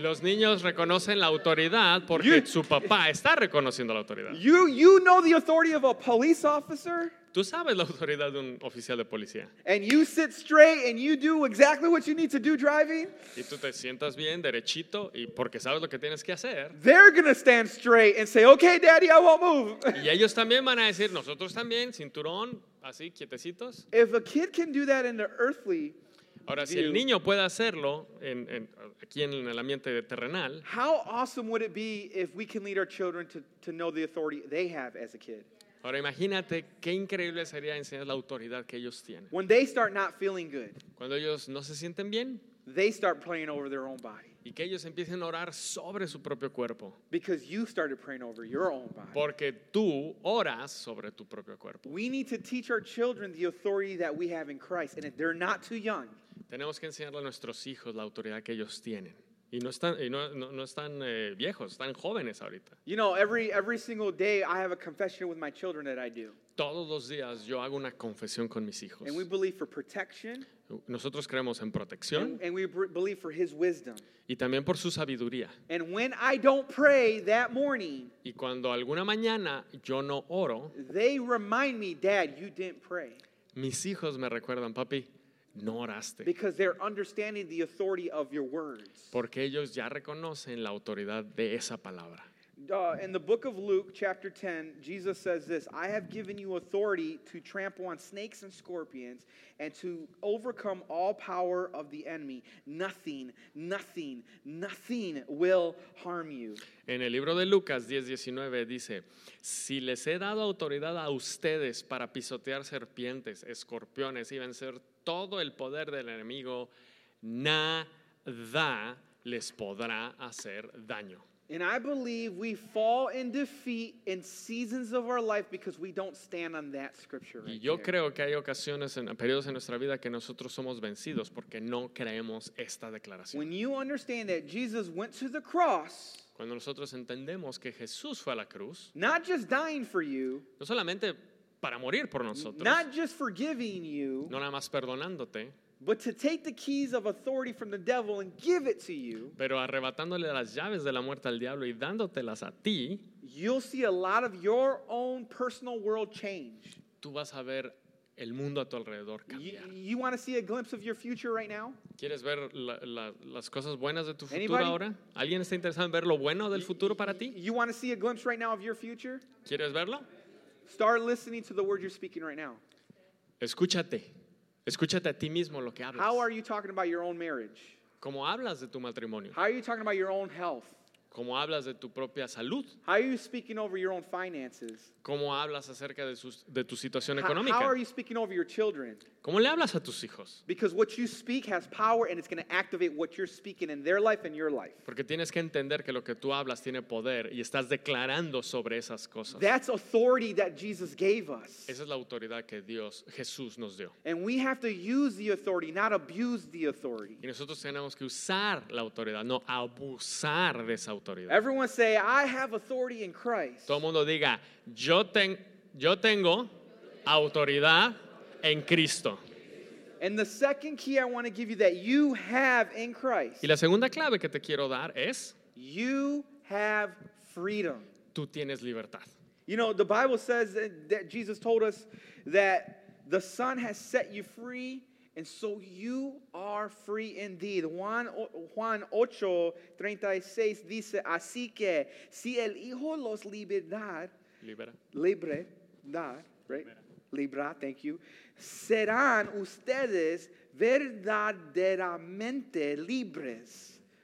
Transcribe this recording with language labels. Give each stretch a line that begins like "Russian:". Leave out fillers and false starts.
Spanish: Los niños reconocen la autoridad porque su papá está reconociendo la autoridad.
English: You know the authority of a police officer.
Spanish: Tú sabes la autoridad de un oficial de policía.
English: And you sit straight and you do exactly what you need to do driving.
Spanish: Y tú te sientas bien, derechito, y porque sabes lo que tienes que hacer.
English: They're going to stand straight and say, okay, daddy, I won't move.
Spanish: Y ellos también van a decir, nosotros también, cinturón, así, quietecitos.
English: If a kid can do that in the earthly.
Spanish: Ahora, si el niño puede hacerlo aquí en el ambiente terrenal,
English: how awesome would it be if we can lead our children to know the authority they have as a kid?
Spanish: Ahora, imagínate qué increíble sería enseñar la autoridad que ellos tienen.
English: When they start not feeling good,
Spanish: cuando ellos no se sienten bien,
English: they start praying over their own body.
Spanish: Y que ellos empiecen a orar sobre su propio cuerpo.
English: Because you started praying over your own body.
Spanish: Porque tú oras sobre tu propio cuerpo.
English: We need to teach our children the authority that we have in Christ, and if they're not too young.
Spanish: Tenemos que enseñarle a nuestros hijos la autoridad que ellos tienen. Y no están viejos, están jóvenes ahorita.
English: You know, every single day I have a confession with my children that I do.
Spanish: Todos los días yo hago una confesión con mis hijos.
English: And we believe for protection.
Spanish: Nosotros creemos en protección.
English: And we believe for his wisdom.
Spanish: Y también por su sabiduría.
English: And when I don't pray that morning.
Spanish: Y cuando alguna mañana yo no oro.
English: They remind me, Dad, you didn't pray.
Spanish: Mis hijos me recuerdan, papi. No oraste.
English: Because they're understanding the authority of your words.
Spanish: Porque ellos ya reconocen la autoridad de esa palabra.
English: In the book of Luke, chapter 10, Jesus says this, I have given you authority to trample on snakes and scorpions and to overcome all power of the enemy. Nothing will harm you.
Spanish: En el libro de Lucas 10:19 dice, si les he dado autoridad a ustedes para pisotear serpientes, escorpiones y vencer todo el poder del enemigo, nada les podrá hacer daño.
English: And I believe we fall in defeat in seasons of our life because we don't stand on that scripture right there.
Spanish: Yo creo Que hay ocasiones en periodos en nuestra vida que nosotros somos vencidos porque no creemos esta declaración.
English: When you understand that Jesus went to the cross,
Spanish: cuando nosotros entendemos que Jesús fue a la cruz,
English: not just dying for you,
Spanish: no solamente para morir por nosotros,
English: not just forgiving you,
Spanish: no nada más perdonándote,
English: but to take the keys of authority from the devil and give it to you,
Spanish: pero arrebatándole las llaves de la muerte al diablo y dándotelas a ti,
English: you'll see a lot of your own personal world change.
Spanish: Tú vas a ver el mundo a tu alrededor cambiar.
English: You want to see a glimpse of your future right now?
Spanish: ¿Quieres ver las cosas buenas de tu futuro
English: Anybody?
Spanish: Ahora? ¿Alguien está interesado en ver lo bueno del futuro para ti?
English: You want to see a glimpse right now of your future?
Spanish: ¿Quieres verlo?
English: Start listening to the word you're speaking right now.
Spanish: Escúchate. Escúchate a ti mismo lo que hablas.
English: How are you talking about your own marriage?
Spanish: ¿Cómo hablas de tu matrimonio?
English: How are you talking about your own health?
Spanish: ¿Cómo hablas de tu propia salud?
English: How are you speaking over your own finances?
Spanish: ¿Cómo hablas acerca de tu situación económica?
English: How are you speaking over your children?
Spanish: ¿Cómo le hablas a tus hijos?
English: Because what you speak has power and it's going to activate what you're speaking in their life and your life.
Spanish: Porque tienes que entender que lo que tú hablas tiene poder y estás declarando sobre esas cosas.
English: That's authority that Jesus gave us.
Spanish: Esa es la autoridad que Jesús nos dio.
English: And we have to use the authority, not abuse the authority.
Spanish: Y nosotros tenemos que usar la autoridad, no abusar de esa autoridad.
English: Everyone say, I have authority in Christ.
Spanish: Todo el mundo diga, yo tengo autoridad en Cristo.
English: And the second key I want to give you that you have in Christ.
Spanish: Y la segunda clave que te quiero dar es,
English: you have freedom.
Spanish: Tú tienes libertad.
English: You know, the Bible says that Jesus told us that the Son has set you free. And so you are free indeed.
Spanish: Juan 8:36 dice, así que si el Hijo los libra,
English: thank you,
Spanish: serán ustedes verdaderamente libres.